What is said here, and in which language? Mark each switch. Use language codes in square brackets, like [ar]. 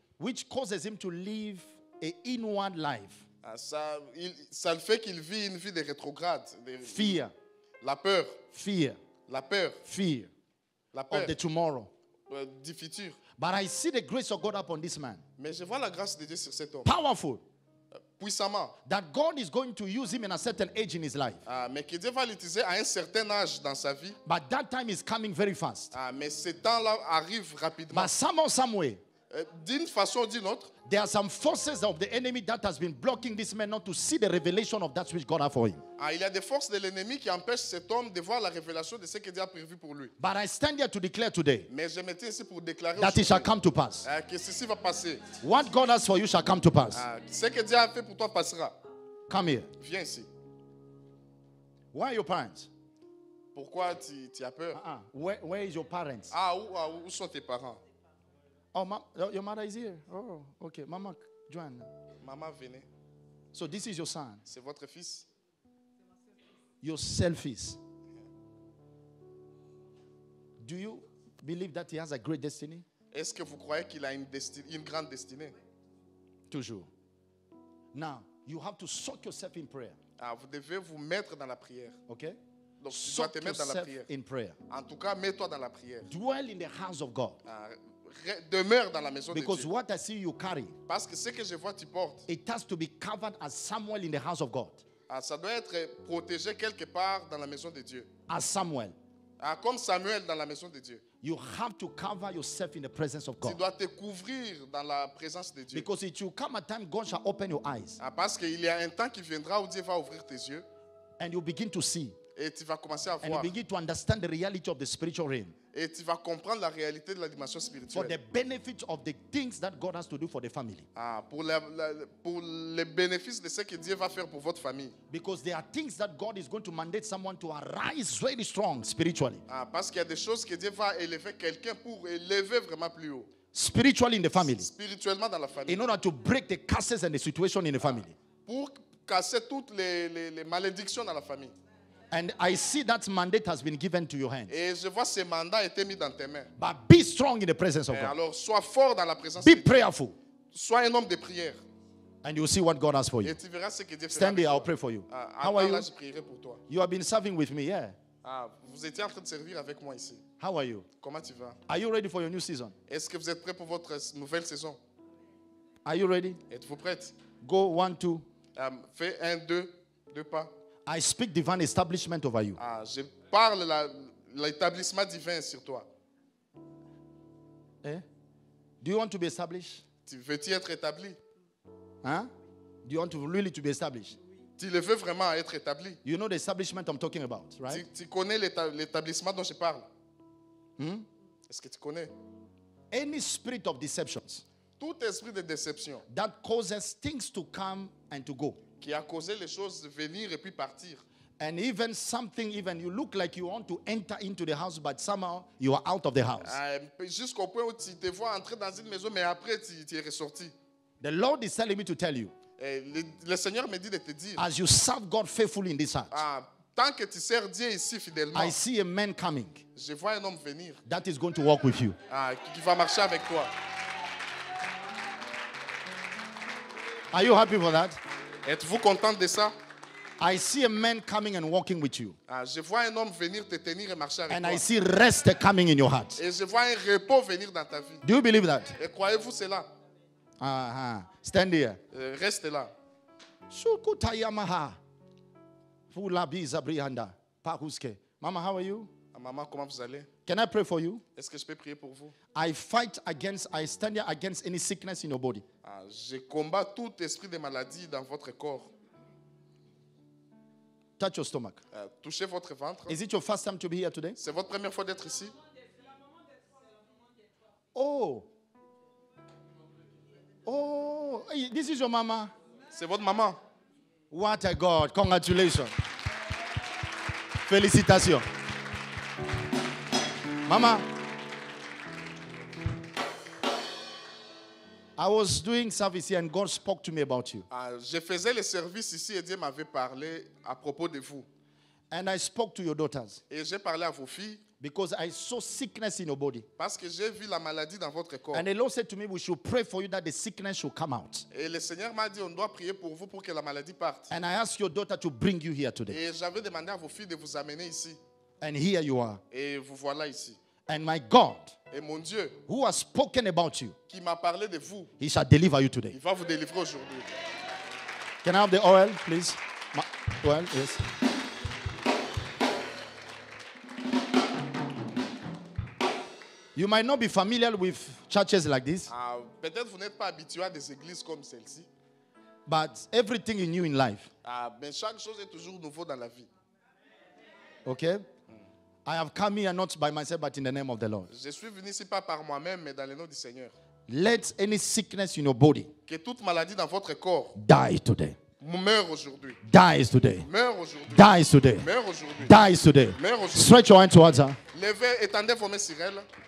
[en] Which causes him to live an inward life. [fr] Ça le fait qu'il vit une vie de rétrograde. [en] Fear. [fr] La peur. [en] Fear. [fr] La peur. [en] Fear. [fr] La peur. [en] Of the tomorrow. [fr] Du futur. [en] But I see the grace of God upon this man. [fr] Mais je vois la grâce de Dieu sur cet homme. [en] Powerful. [fr] Puissamment. [en] That God is going to use him in a certain age in his life. [fr] Mais que Dieu va l'utiliser à un certain âge dans sa vie. [en] But that time is coming very fast. [fr] Mais ce temps-là arrive rapidement. [en] But somehow, somewhere. [fr] D'une façon ou d'une autre. [en] There are some forces of the enemy that has been blocking this man not to see the revelation of that which God has for him. [fr] Il y a des forces de l'ennemi qui empêchent cet homme de voir la révélation de ce que Dieu a prévu pour lui. [en] But I stand here to declare today. [fr] Mais je me tiens ici pour déclarer [en] that it shall come to pass. [fr] Que ceci va passer. [en] What God has for you shall come to pass. [fr] Ce que Dieu a fait pour toi passera. [en] Come here. [fr] Viens ici. [en] Why are your parents? [fr] Pourquoi tu as peur? [en] Where is your parents? [fr] Où sont tes parents? [en] Oh, your mother is here. Oh, okay. Mama, Joanne. [fr] Mama, venez. [en] So this is your son. [fr] C'est votre fils. [en] Your selfies. Yeah. Do you believe that he has a great destiny? [fr] Est-ce que vous croyez qu'il a une grande destinée? Toujours. [en] Now, you have to soak yourself in prayer. [fr] Ah, vous devez vous mettre dans la prière. [en] OK? [fr] Donc tu dois te mettre dans la prière. [en] In prayer. [fr] En tout cas, mets-toi dans la prière. [en] Dwell in the house of God. [fr] Demeure dans la maison [en] Because [fr] de Dieu. [en] What I see you carry, [fr] parce que ce que je vois tu portes. [en] It has to be covered as Samuel in the house of God. [fr] Ah, ça doit être protégé quelque part dans la maison de Dieu. [en] As Samuel. [fr] Ah, comme Samuel dans la maison de Dieu. [en] You have to cover yourself in the presence of God. [fr] Tu dois te couvrir dans la présence de Dieu. [en] Because it will come a time God shall open your eyes. [fr] Ah, parce qu'il y a un temps qui viendra où Dieu va ouvrir tes yeux. [en] And you begin to see. [fr] Et tu vas commencer à voir. [en] And you begin to understand the reality of the spiritual realm. [fr] Et tu vas comprendre la réalité de la dimension spirituelle. [en] For the benefit of the things that God has to do for the family. [fr] Ah, pour les bénéfices de ce que Dieu va faire pour votre famille. [en] Because there are things that God is going to mandate someone to arise really strong spiritually. [fr] Ah, parce qu'il y a des choses que Dieu va élever quelqu'un pour élever vraiment plus haut. [en] Spiritually in the family. [fr] Spirituellement dans la famille. [en] In order to break the curses and the situation in the family. [fr] Pour casser toutes les malédictions dans la famille. [en] And I see that mandate has been given to your hands. [fr] Et je vois ce mandat été mis dans tes mains. [en] But be strong in the presence of God. [fr] Alors sois fort dans la présence de Dieu. [en] Be prayerful. [fr] Sois un homme de prière. [en] And you will see what God has for you. [fr] Et tu verras ce que Dieu fera. [en] Stand here, I'll pray for you. How are you? [fr] Je prierai pour toi. [en] You have been serving with me, yeah. [fr] Ah, vous étiez en train de servir avec moi ici. [en] How are you? [fr] Comment tu vas? [en] Are you ready for your new season? [fr] Est-ce que vous êtes prêt pour votre nouvelle saison? [en] Are you ready? [fr] Êtes-vous prête? [en] Go one, two. [fr] Fais un, deux pas. [en] I speak divine establishment over you. [fr] Ah, je parle l'établissement divin sur toi. [en] Eh? Do you want to be established? [fr] Tu veux-tu être établi? Hein? [en] Do you want to really to be established? [fr] Tu le veux vraiment être établi? [en] You know the establishment I'm talking about, right? [fr] Tu connais l'établissement dont je parle. Hmm? Est-ce que tu connais? [en] Any spirit of deceptions. [fr] Tout esprit de déception. [en] That causes things to come and to go. [fr] Qui a causé les choses de venir et puis partir. [en] And even something, even you look like you want to enter into the house, but somehow you are out of the house. [fr] Jusqu'au point où tu te vois entrer dans une maison, mais après tu es ressorti. [en] The Lord is telling me to tell you. [fr] Le Seigneur me dit de te dire. [en] As you serve God faithfully in this house. [fr] Tant que tu sers Dieu ici fidèlement. [en] I see a man coming. [fr] Je vois un homme venir. [en] That is going to walk with you. [fr] Qui va marcher avec toi. [en] Are you happy for that? [fr] Êtes-vous content de ça? [en] I see a man coming and walking with you. [fr] Je vois un homme venir te tenir et marcher avec [en] and [fr] toi. [en] I see rest coming in your heart. [fr] Et je vois un repos venir dans ta vie. [en] Do you believe that? [fr] Et croyez-vous cela? [en] Uh-huh. Stand here. [fr] Reste là. Shukuta yamaha. Fula biza brianda. Pahuske. [en] Mama, how are you? [fr] Mama, comment vous allez? [en] Can I pray for you? [fr] Est-ce que je peux prier pour vous? [en] I stand here against any sickness in your body. [fr] Je combat tout esprit de maladie dans votre corps. [en] Touch your stomach. [fr] Touchez votre ventre. [en] Is it your first time to be here today? [fr] C'est votre première fois d'être ici? Oh. [en] Oh, hey, this is your mama. [fr] C'est votre maman. [en] What a God. Congratulations. Félicitations. Mama, I was doing service here and God spoke to me about you. [fr] Je faisais le service ici et Dieu m'avait parlé à propos de vous. [en] And I spoke to your daughters. [fr] Et j'ai parlé à vos filles. [en] Because I saw sickness in your body. [fr] Parce que j'ai vu la maladie dans votre corps. [en] And the Lord said to me, we should pray for you that the sickness should come out. [fr] Et le Seigneur m'a dit, on doit prier pour vous pour que la maladie parte. [en] And I asked your daughter to bring you here today. [fr] Et j'avais demandé à vos filles de vous amener ici. [en] And here you are. [fr] Et vous voilà ici. [en] And my God, [fr] et mon Dieu, [en] who has spoken about you, [fr] qui m'a parlé de vous, [en] he shall deliver you today. [fr] Il va vous délivrer aujourd'hui. [en] Can I have the oil, please? Oil, yes. You might not be familiar with churches like this. [fr] Peut-être vous n'êtes pas habitué à des églises comme celle-ci. [en] But everything is new in life. [fr] Mais chaque chose est toujours nouveau dans la vie. [en] Okay. I have come here not by myself, but in the name of the Lord. [fr] Je suis venu ici pas par moi-même, mais dans le nom du Seigneur. [en] Let any sickness in your body. [fr] Que toute maladie dans votre corps. [en] Die today. [fr] Meurs aujourd'hui. [en] Die today. [fr] Meurs aujourd'hui. [en] Die today. [fr] Meurs aujourd'hui. [en] Die today. [fr] Meurs aujourd'hui. [en] Stretch your hand towards her. [fr] Levez, étendez vos mains sur elle.